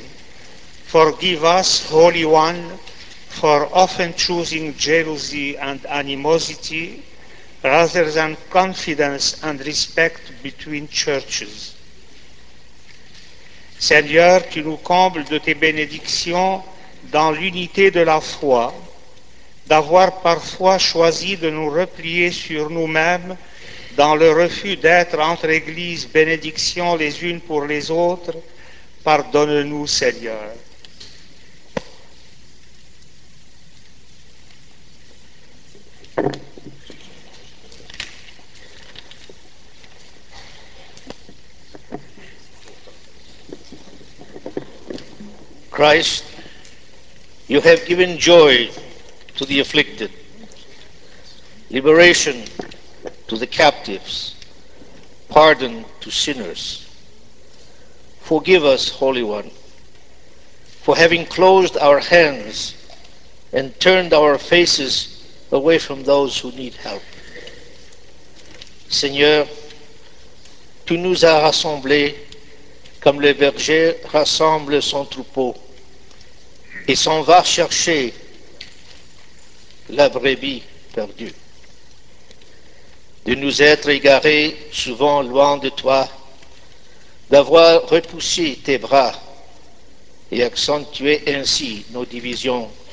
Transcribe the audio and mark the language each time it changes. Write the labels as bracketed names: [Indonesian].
[English] Forgive us, Holy One, for often choosing jealousy and animosity rather than confidence and respect between churches. [French] Seigneur, tu nous combles de tes bénédictions dans l'unité de la foi, d'avoir parfois choisi de nous replier sur nous-mêmes dans le refus d'être entre églises bénédictions les unes pour les autres. Pardonne-nous, Seigneur. [English] Christ, you have given joy to the afflicted, liberation to the captives, pardon to sinners. Forgive us, Holy One, for having closed our hands and turned our faces away from those who need help. [French] Seigneur, tu nous as rassemblés comme le berger rassemble son troupeau et s'en va chercher la brebis perdue. De nous être égarés souvent loin de toi, d'avoir repoussé tes bras et accentué ainsi nos divisions.